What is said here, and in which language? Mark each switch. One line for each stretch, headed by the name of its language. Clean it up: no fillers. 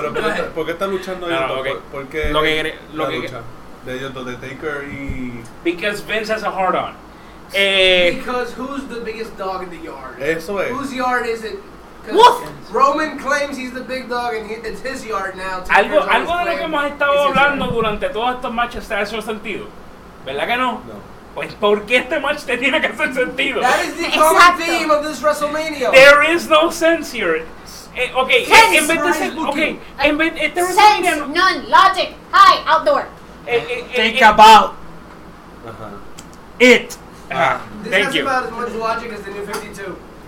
Spanish: Pero, ¿por qué están luchando ellos?
English: No, okay.
Spanish: ¿Por qué lo que lucha? De ellos dos, de Taker y...
English: Because Vince has a hard-on. Because who's the biggest dog in the yard?
Spanish: Eso es.
English: Whose yard is it? Woof. Roman claims he's the big dog and it's his yard now.
Spanish: Algo de lo que hemos estado hablando durante todos estos matches te hace sentido, ¿verdad que no? No. Pues ¿por qué este match te tiene que hacer sentido?
English: That is the common theme of this WrestleMania. There is no sense here. Okay,
Spanish: en vez de
English: sense, none, logic, hi, outdoor. Think about it. This is about as much logic as the new 52.